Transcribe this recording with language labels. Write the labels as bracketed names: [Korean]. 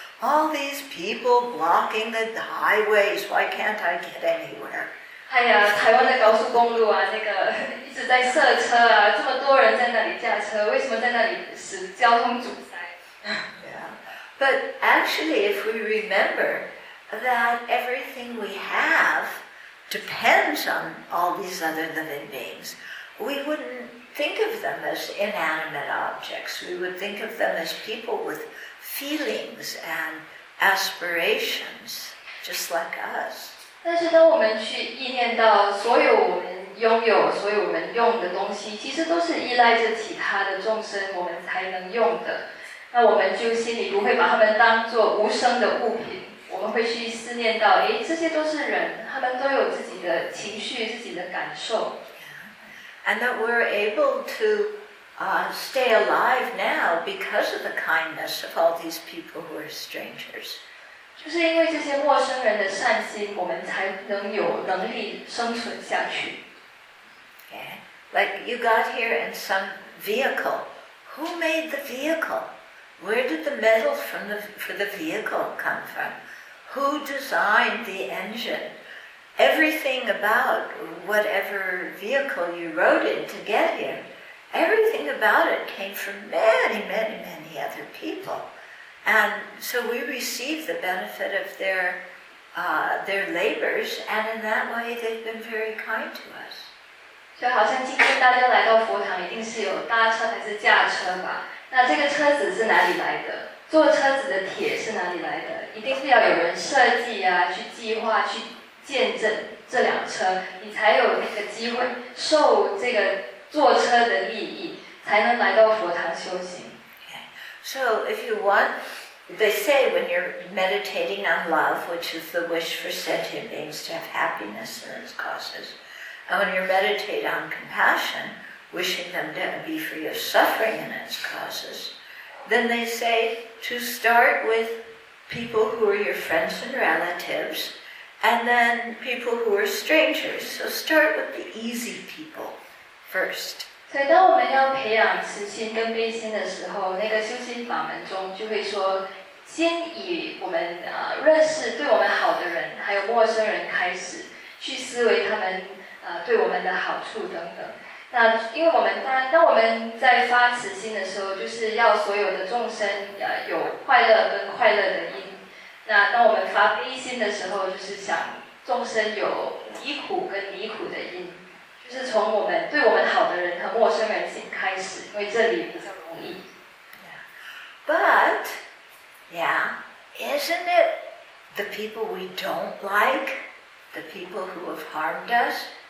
[English] All these people blocking the highways. Why can't I get anywhere? [Chinese] 哎呀，台湾的高速公路啊，那个一直在塞车啊，这么多人在那里驾车，为什么在那里使交通阻塞？ [English] But actually, if we remember that everything we have depends on all these other living beings, we wouldn't. Think of them as inanimate objects. We would think of them as people with feelings and aspirations, just like us. [Chinese] 但是当我们去意念到所有我们拥有、所有我们用的东西，其实都是依赖着其他的众生，我们才能用的。那我们就心里不会把他们当作无声的物品。我们会去思念到，哎，这些都是人，他们都有自己的情绪、自己的感受。 [English] And that we're able to stay alive now because of the kindness of all these people who are strangers. [Chinese] 就是因为这些陌生人的善心，我们才能有能力生存下去。 [English] Okay. Like you got here in some vehicle. Who made the vehicle? Where did the metal for the vehicle come from? Who designed the engine? Everything about whatever vehicle you rode in to get here, everything about it came from many, many, many other people. And so we receive the benefit of their their labors, and in that way they've been very kind to us. [Chinese] 所以好像今天大家来到佛堂一定是有搭车还是驾车吧，那这个车子是哪里来的，坐车子的铁是哪里来的，一定是要有人设计啊，去计划去见证这辆车，你才有那个机会受这个坐车的利益，才能来到佛堂修行。 [English] So if you want, they say when you're meditating on love, which is the wish for sentient beings to have happiness in its causes, and when you meditate on compassion, wishing them to be free of suffering in its causes, then they say to start with people who are your friends and relatives, and then people who are strangers. So start with the easy people first. [Chinese] 所以当我们要培养慈心跟悲心的时候，那个修心法门中就会说，先以我们认识对我们好的人，还有陌生人开始，去思维他们对我们的好处等等。那因为我们当我们在发慈心的时候，就是要所有的众生有快乐跟快乐的因。那当我们发悲心的时候，就是想众生有离苦跟离苦的因。就是从我们对我们好的人和陌生人心开始，因为这里比较容易。 [English] But, yeah, isn't it the people we don't like, the people who have harmed us?